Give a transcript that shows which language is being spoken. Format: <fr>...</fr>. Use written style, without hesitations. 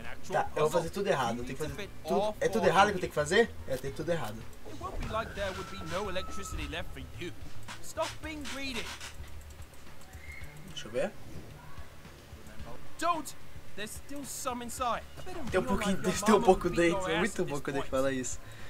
<pt>Tá, eu vou fazer tudo errado, tem que fazer tudo. É tudo errado que eu tenho que fazer? É, tem tudo errado.</pt> <en>It won't be like there would be no electricity left for you. Stop being greedy.</en> <pt>Deixa eu ver.</pt> <en>Don't! There's still some inside.</en> <pt>Tem um pouquinho dentro, tem um pouco dentro. É muito bom quando ele fala isso.</pt>